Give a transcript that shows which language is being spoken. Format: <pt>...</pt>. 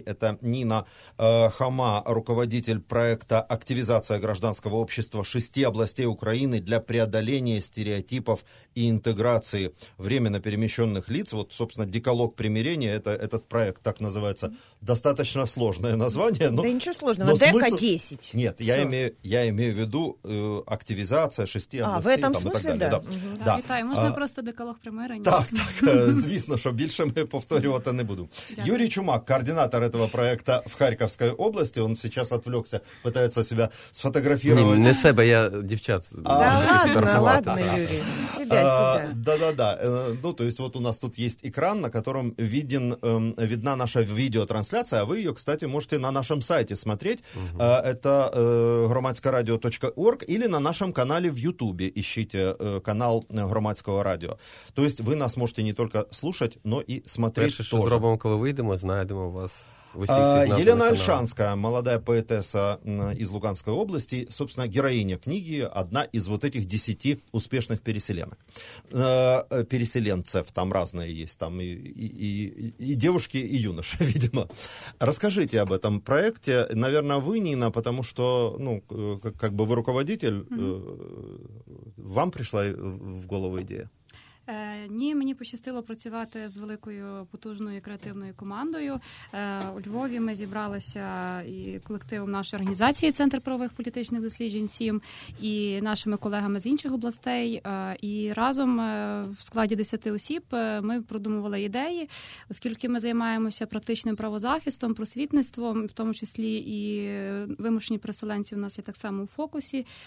<ru>Это Нина Хама, руководитель проекта «Активизация гражданского общества 6 областей Украины для преодоления стереотипов и интеграции временно перемещенных лиц». Вот, собственно, «Декалог примирения» — это этот проект, так называется. Достаточно сложное название. Но, да ничего сложного, но ДК-10. Смысл... Нет, я имею в виду активизация 6 областей. А, в этом смысле, так далее. Да. Угу. Да.</ru> <uk>Вітаю, можна просто декалог примирення? Так, так, звісно, що більше ми повторювати не буду. Дякую.</uk> <ru>Юрій Чумак, координатор этого проекта</ru> <uk>в Харківській області,</uk> <ru>он сейчас отвлекся, пытается себя сфотографировать.</ru> <uk>Не себе, я дівчат.</uk> <ru>Да ладно, Юрій. Да. Ну, то есть вот у нас тут есть экран, на котором видна наша видеотрансляция, а вы ее, кстати, можете на нашем сайте смотреть. Угу. Это громадскорадио.орг или на нашем канале в Ютубе. Ищите канал Громадского радио. То есть вы нас можете не только слушать, но и смотреть тоже.</ru> <uk>Перше,</uk> <ru>что сделаем, когда выйдем, найдем вас. Елена Ольшанская, молодая поэтесса из Луганской области, собственно, героиня книги, одна из вот этих 10 успешных переселенок. Переселенцев, там разные есть, там и девушки, и юноши, видимо. Расскажите об этом проекте. Наверное, вы, Нина, потому что, ну, как бы вы руководитель, mm-hmm. вам пришла в голову идея?</ru> <uk>Ні, мені пощастило працювати з великою потужною креативною командою. У Львові ми зібралися і колективом нашої організації «Центр правових політичних досліджень СІМ» і нашими колегами з інших областей. І разом в складі 10 осіб ми продумували ідеї, оскільки ми займаємося практичним правозахистом, просвітництвом, в тому числі і вимушені переселенці у нас є так само у фокусі.</uk>